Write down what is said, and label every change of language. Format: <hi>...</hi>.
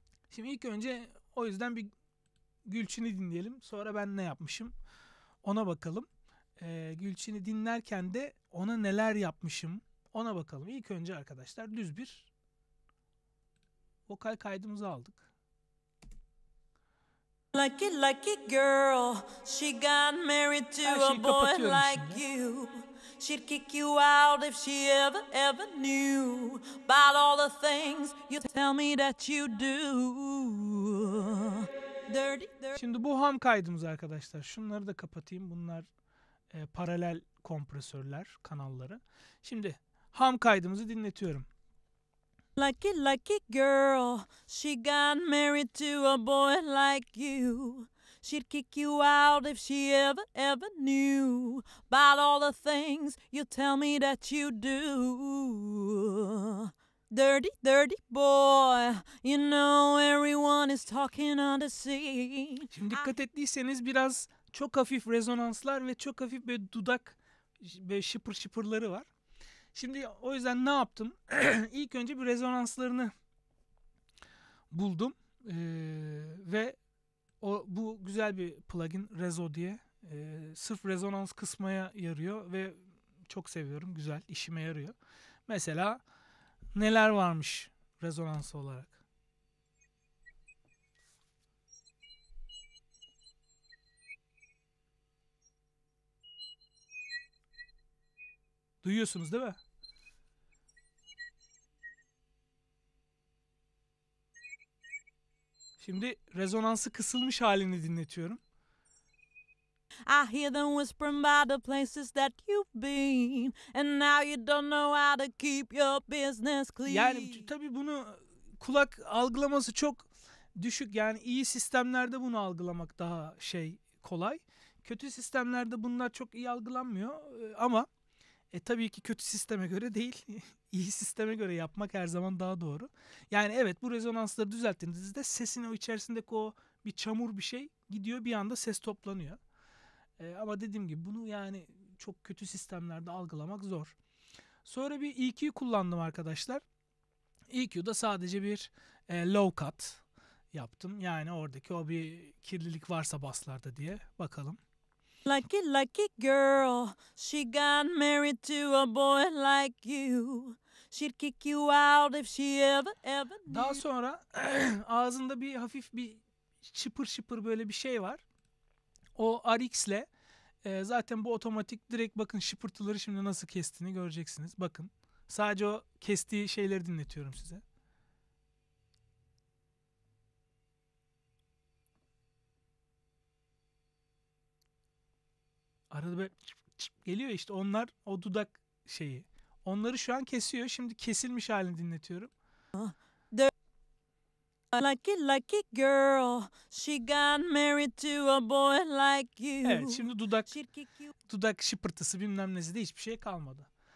<tr>Şimdi ilk önce o yüzden bir Gülçin'i dinleyelim. Sonra ben ne yapmışım ona bakalım. Gülçin'i dinlerken de ona neler yapmışım ona bakalım. İlk önce arkadaşlar düz bir vokal kaydımızı aldık.</tr> <en>Lucky, lucky girl, she got married to a boy like</en> <tr>şimdi.</tr> <en>You. She'd kick you out if she ever, ever knew about all the things you tell me that you do.</en> <tr>Şimdi bu ham kaydımız arkadaşlar. Şunları da kapatayım. Bunlar paralel kompresörler, kanalları. Şimdi ham kaydımızı dinletiyorum.</tr> <en>Lucky, lucky girl, she got married to a boy like you. She'd kick you out if she ever, ever knew about all the things you tell me that you do. Dirty, dirty boy, you know everyone is talking on the sea.</en> <tr>Şimdi dikkat ettiyseniz biraz çok hafif rezonanslar ve çok hafif böyle dudak böyle şıpır şıpırları var. Şimdi o yüzden ne yaptım? İlk önce bir rezonanslarını buldum. Ve o, bu güzel bir plugin, Rezo diye. Sırf rezonans kısmaya yarıyor ve çok seviyorum. Güzel, işime yarıyor. Mesela neler varmış rezonans olarak? Duyuyorsunuz değil mi? Şimdi rezonansı kısılmış halini dinletiyorum.</tr> <en>I hear them whispering by the places that you've been and now you don't know how to keep your business clean.</en> <tr>Yani tabii bunu kulak algılaması çok düşük. Yani iyi sistemlerde bunu algılamak daha şey kolay. Kötü sistemlerde bunlar çok iyi algılanmıyor ama tabii ki kötü sisteme göre değil. İyi sisteme göre yapmak her zaman daha doğru. Yani evet, bu rezonansları düzelttiğinizde sesin o içerisindeki o bir çamur bir şey gidiyor, bir anda ses toplanıyor. Ama dediğim gibi bunu yani çok kötü sistemlerde algılamak zor. Sonra bir EQ kullandım arkadaşlar. EQ'da sadece bir low cut yaptım. Yani oradaki o bir kirlilik varsa basslarda diye bakalım.</tr> <en>Lucky, lucky girl, she got married to a boy like you. She'd kick you out if she ever, ever knew.</en> <tr>Daha sonra ağzında bir hafif bir şıpır şıpır böyle bir şey var. O RX'le zaten bu otomatik direkt, bakın şıpırtıları şimdi nasıl kestiğini göreceksiniz. Bakın sadece o kestiği şeyleri dinletiyorum size. Arada böyle çıp çıp geliyor işte, onlar o dudak şeyi. Onları şu an kesiyor. Şimdi kesilmiş halini dinletiyorum.</tr> <en>Lucky, lucky girl, she got married to a boy like you.</en> <tr>Evet, şimdi dudak şıpırtısı bilmem nesi de hiçbir şey kalmadı.</tr>